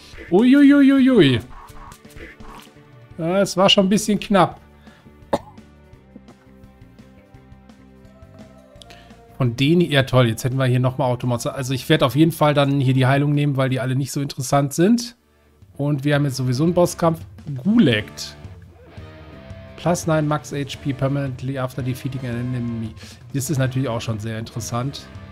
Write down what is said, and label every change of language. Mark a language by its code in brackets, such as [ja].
[de] Uiuiuiui. Es war schon ein bisschen knapp. Von denen, ja toll, jetzt hätten wir hier nochmal Automatzer. Also ich werde auf jeden Fall dann hier die Heilung nehmen, weil die alle nicht so interessant sind. Und wir haben jetzt sowieso einen Bosskampf. Gulekt. [en] Plus 9 Max HP permanently after defeating an enemy. [de] Das ist natürlich auch schon sehr interessant.